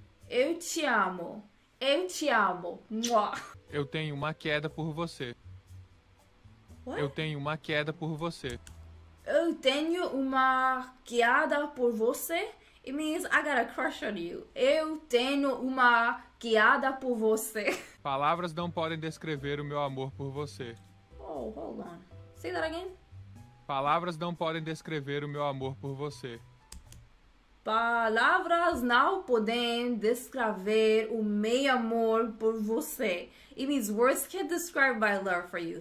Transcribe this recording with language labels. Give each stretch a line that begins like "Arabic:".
Portuguese: Eu te amo. Eu te amo. Mwah. Eu tenho uma queda por você.
English: What?
Portuguese: Eu tenho uma queda por você. Eu tenho uma queda por você.
English: It means I got a crush on you.
Portuguese: Eu tenho uma queda por você. Palavras não podem descrever o meu amor por você.
English: Oh, hold on. Say that again.
Portuguese: Palavras não podem descrever o meu amor por você. Palavras não podem descrever o meu amor por você.
English: It means words can't describe my love for you.